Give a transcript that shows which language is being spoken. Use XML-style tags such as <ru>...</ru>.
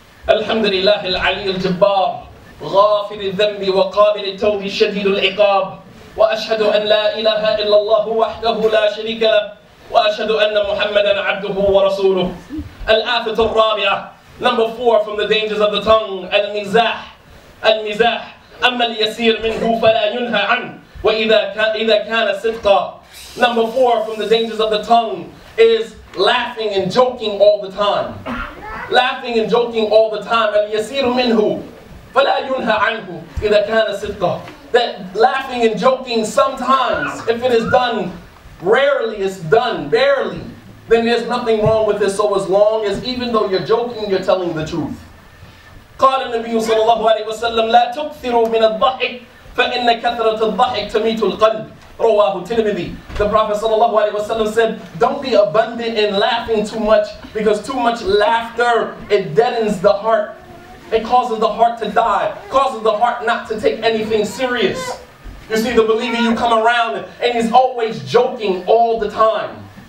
<ar>الحمد لله العلي الجبار غافر الذنب وقابل التوب شديد العقاب. وأشهد أن لا إله إلا الله وحده لا شريك له وأشهد أن محمدًا عبده ورسوله. الآفة الرابعة,</ar> <en>number four from the dangers of the tongue,</en> <ar>المزاح. المزاح, أما اليسير منه فلا ينهى عنه وإذا كان صدقا.</ar> <en>Number four from the dangers of the tongue is laughing and joking all the time. Laughing and joking all the time,</en> <ar>اليسير منه فلا ينهى عنه إذا كان صدقا.</ar> <en>That laughing and joking sometimes, if it is done rarely, it's done barely, then there's nothing wrong with it. So as long as, even though you're joking, you're telling the truth.</en> <ar>قال النبي صلى الله عليه وسلم لا تكثروا من الضحك فإن كثرة الضحك تميت القلب رواه الترمذي.</ar> <en>The Prophet</en> <ar>صلى الله عليه وسلم</ar> <en>said, don't be abundant in laughing too much, because too much laughter, it deadens the heart. It causes the heart to die, causes the heart not to take anything serious. You see, the believer, you come around and he's always joking all the time.</en>